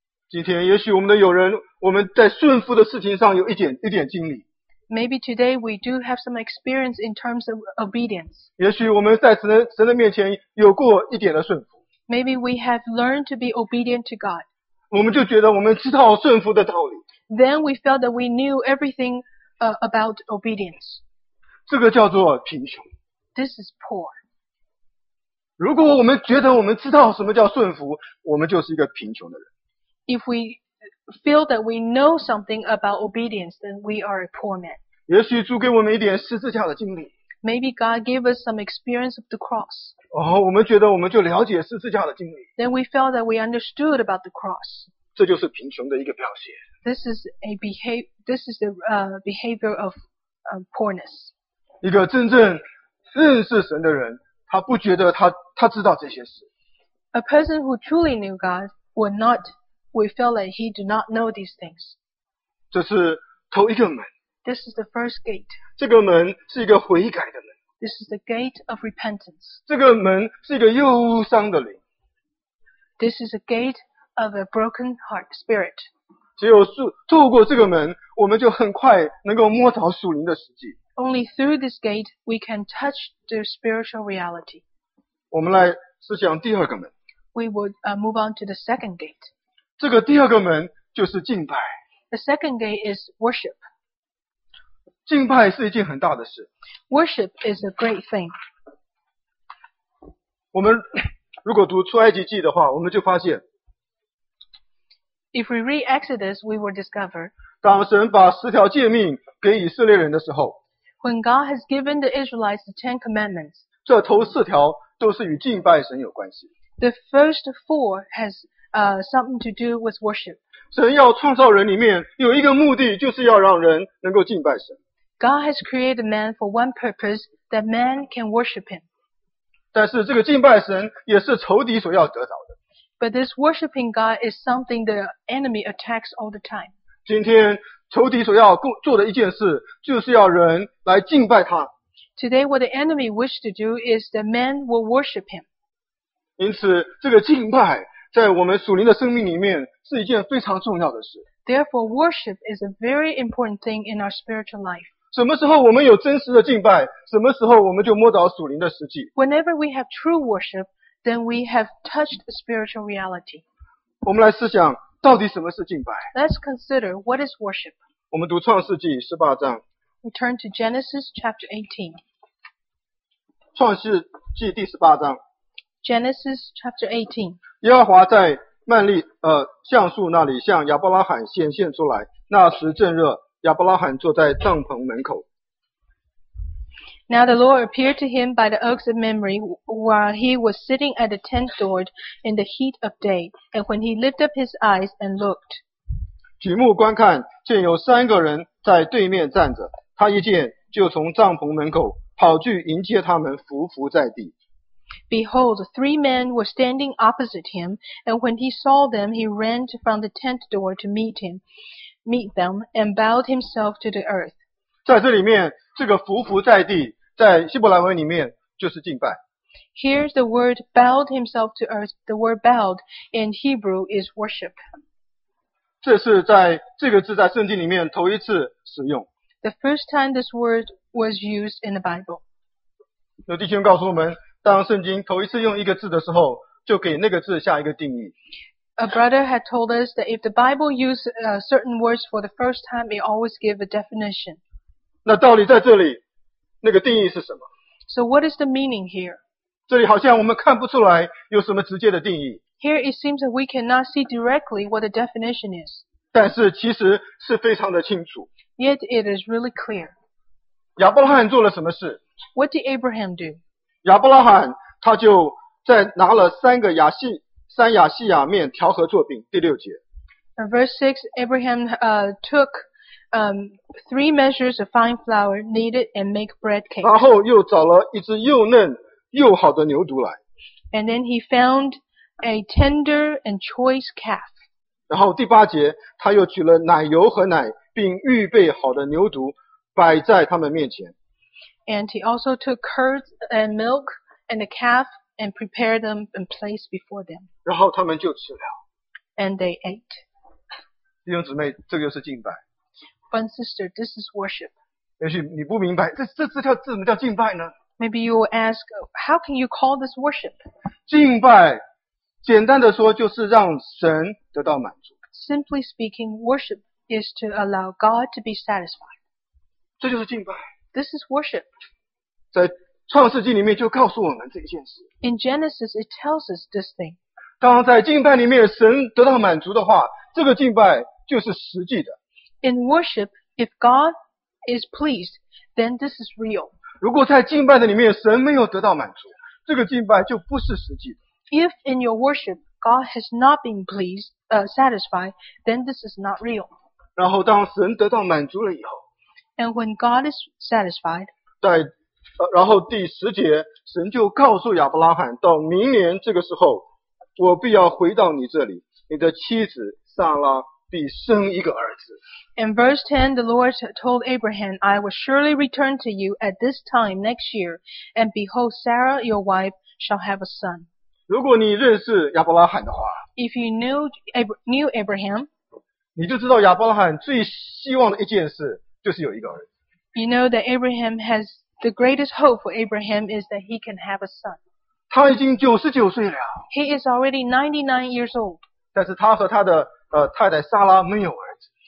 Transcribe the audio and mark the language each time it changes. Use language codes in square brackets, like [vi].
[zh] 今天也许我们的友人，我们在顺服的事情上有一点经历。 [en] Maybe today we do have some experience in terms of obedience. [zh] 也许我们在神的面前有过一点的顺服。 [en] Maybe we have learned to be obedient to God. [zh] 我们就觉得我们知道顺服的道理。 [en] then we felt that we knew everything, about obedience. [zh] 这个叫做贫穷。 [en] This is poor. [zh] 如果我们觉得我们知道什么叫顺服，我们就是一个贫穷的人。 [en] If we feel that we know something about obedience, then we are a poor man. [zh] 也许主给我们一点十字架的经历。 [en] Maybe God gave us some experience of the cross. [zh] 哦，我们觉得我们就了解十字架的经历。 [en] Then we felt that we understood about the cross. [zh] 这就是贫穷的一个表现。 [en] This is the behavior of poorness. [zh] 一个真正认识神的人，他不觉得他知道这些事。 [en] A person who truly knew God would not, we felt like he did not know these things. [zh] 这是头一个门。 [en] This is the first gate. [zh] 这个门是一个悔改的门。 [en] This is the gate of repentance. [zh] 这个门是一个忧伤的灵。 [en] This is a gate of a broken heart spirit. [zh] 只有透过这个门，我们就很快能够摸着属灵的实际。 [en] Only through this gate, we can touch the spiritual reality. [zh] 我们来思想第二个门。 [en] We would move on to the second gate. [zh] 这个第二个门就是敬拜。 [en] The second gate is worship. [zh] 敬拜是一件很大的事。 [en] Worship is a great thing. [zh] 我们如果读出埃及记的话，我们就发现 [en] ，If we read Exodus, we will discover. [zh] 当神把十条诫命给以色列人的时候 [en] ，When God has given the Israelites the Ten Commandments, [zh] 这头四条都是与敬拜神有关系。 [en] The first four has something to do with worship. [zh] 神要创造人里面有一个目的，就是要让人能够敬拜神。 [en] God has created man for one purpose, that man can worship him. [zh] 但是这个敬拜神也是仇敌所要得着的。 [en] But this worshiping God is something the enemy attacks all the time. [zh] 今天仇敌所要做的一件事就是要人来敬拜他。 [en] Today what the enemy wishes to do is that man will worship him. [zh] 因此这个敬拜在我们属灵的生命里面是一件非常重要的事。 [en] Therefore, worship is a very important thing in our spiritual life. [zh] 什么时候我们有真实的敬拜，什么时候我们就摸着属灵的实际。 [en] Whenever we have true worship, then we have touched the spiritual reality. [zh] 我们来思想到底什么是敬拜。 [en] Let's consider what is worship. [zh] 我们读创世纪十八章。 [en] We turn to Genesis chapter 18. [zh] 创世纪第十八章。 [en] Genesis chapter 18. [zh] 耶和华在曼利橡树那里向亚伯拉罕显现出来，那时正热，亚伯拉罕坐在帐篷门口。 [en] Now the Lord appeared to him by the oaks of Mamre while he was sitting at the tent door in the heat of day, and when he lifted up his eyes and looked, [zh] 举目观看，见有三个人在对面站着，他一见就从帐篷门口跑去迎接他们，伏伏在地。 [en] Behold, three men were standing opposite him, and when he saw them, he ran from the tent door to meet them, and bowed himself to the earth. [zh] 在这里面，这个伏伏在地，在希伯来文里面就是敬拜。 [en] Here's the word bowed himself to earth. The word bowed in Hebrew is worship. [zh] 这是在这个字在圣经里面头一次使用。 [en] The first time this word was used in the Bible. [zh] 有弟兄告诉我们。当圣经头一次用一个字的时候，就给那个字下一个定义。 [en] A brother had told us that if the Bible used certain words for the first time, it always gave a definition. [zh] 那道理在这里，那个定义是什么？ [en] So what is the meaning here? [zh] 这里好像我们看不出来有什么直接的定义。 [en] Here it seems that we cannot see directly what the definition is. [zh] 但是其实是非常的清楚。 [en] Yet it is really clear. [zh] 亚伯拉罕做了什么事？ [en] What did Abraham do? [zh] 亚伯拉罕他就在拿了三亚细亚面调和作饼，第六节。 [en] Verse 6, Abraham took three measures of fine flour, kneaded and make bread cake. [zh] 然后又找了一只又嫩又好的牛犊来。 [en] And then he found a tender and choice calf. [zh] 然后第八节，他又取了奶油和奶，并预备好的牛犊摆在他们面前。 [en] And he also took curds and milk and a calf and prepared them and placed before them. [zh] 然后他们就吃了。 [en] And they ate. [zh] 弟兄姊妹，这个就是敬拜。 [en] But sister, this is worship. [zh] 也许你不明白，这条字怎么叫敬拜呢？ [en] Maybe you will ask, how can you call this worship? [zh] 敬拜，简单的说就是让神得到满足。 [en] Simply speaking, worship is to allow God to be satisfied. [zh] 这就是敬拜。 [en] This is worship. [zh] 在创世纪里面就告诉我们这一件事。 [en] In Genesis, it tells us this thing. [zh] 当在敬拜里面神得到满足的话，这个敬拜就是实际的。 [en] In worship, if God is pleased, then this is real. [zh] 如果在敬拜的里面神没有得到满足，这个敬拜就不是实际的。 [en] If in your worship God has not been pleased, satisfied, then this is not real. [zh] 然后当神得到满足了以后 [en] ，And when God is satisfied, [zh] 在然后第十节，神就告诉亚伯拉罕，到明年这个时候，我必要回到你这里，你的妻子撒拉必生一个儿子。 [en] In verse 10, the Lord told Abraham, I will surely return to you at this time next year, and behold, Sarah, your wife, shall have a son. [zh] 如果你认识亚伯拉罕的话 [en] ,If you knew Abraham, [zh] 你就知道亚伯拉罕最希望的一件事就是有一个儿子。 [en] You know that Abraham has the greatest hope for Abraham is that he can have a son. [zh] 他已经99岁了。 [en] He is already 99 years old. [zh] 但是他和他的太太撒拉没有儿子。